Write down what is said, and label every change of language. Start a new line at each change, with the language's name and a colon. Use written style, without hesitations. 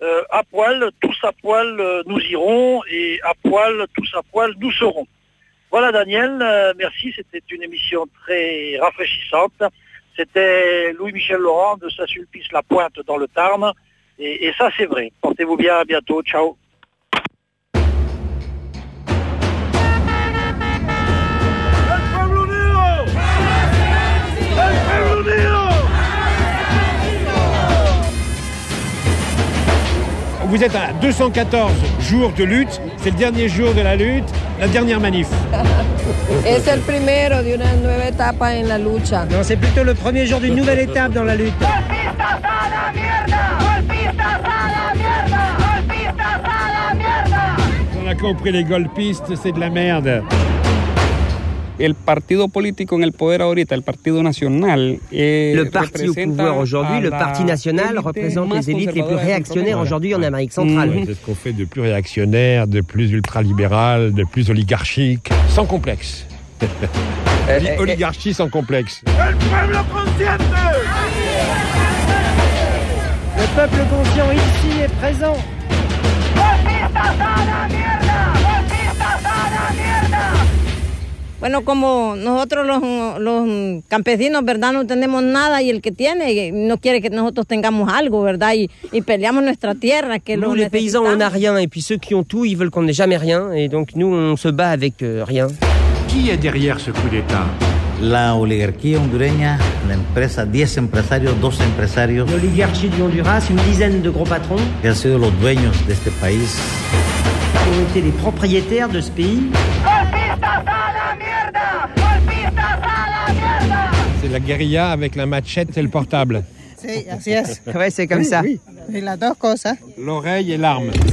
French: À Poils, tous à Poils nous irons, et à Poils, tous à Poils nous serons. Voilà Daniel, merci, c'était une émission très rafraîchissante. C'était Louis-Michel Laurent de Saint-Sulpice-la-Pointe dans le Tarn. Et ça, c'est vrai. Portez-vous bien, à bientôt.
Italian: Ciao.
Spanish: El pueblo unido! El pueblo unido!
French: Vous êtes à 214 jours de lutte. C'est le dernier jour de la lutte, la dernière manif.
Spanish: Es el primero de una nueva etapa en la lucha.
French: Non, c'est plutôt le premier jour d'une nouvelle étape dans la lutte. On a compris, les golpistes, c'est de la merde.
Spanish: El partido político en el poder ahorita, el Partido Nacional,
French: le parti au pouvoir aujourd'hui, le Parti National, représente les élites les plus réactionnaires aujourd'hui en Amérique centrale. Ouais, c'est ce qu'on fait de plus réactionnaire, de plus ultralibéral, de plus oligarchique, sans complexe. oligarchie sans complexe.
Spanish: El pueblo consciente.
French: Le peuple conscient ici est présent.
Spanish: Bueno, como nosotros los campesinos, ¿verdad? No tenemos nada y el que tiene no quiere que nosotros tengamos algo, ¿verdad? Y peleamos nuestra tierra que
French: nous, les paysans, on n'a rien et puis ceux qui ont tout, ils veulent qu'on n'ait jamais rien et donc nous on se bat avec rien. Qui est derrière ce coup d'état?
Spanish: La oligarquía hondureña, la empresa, 10 empresarios, 12 empresarios.
French: L'oligarchie du Honduras, une dizaine de gros patrons.
Spanish: Qui han sido los dueños de este país.
French: Qui ont été les propriétaires de ce pays. La guérilla avec la machette et le portable.
Spanish: Sí, así es.
French: Ouais, c'est comme oui, ça. Oui. Et la deux choses. L'oreille et l'arme.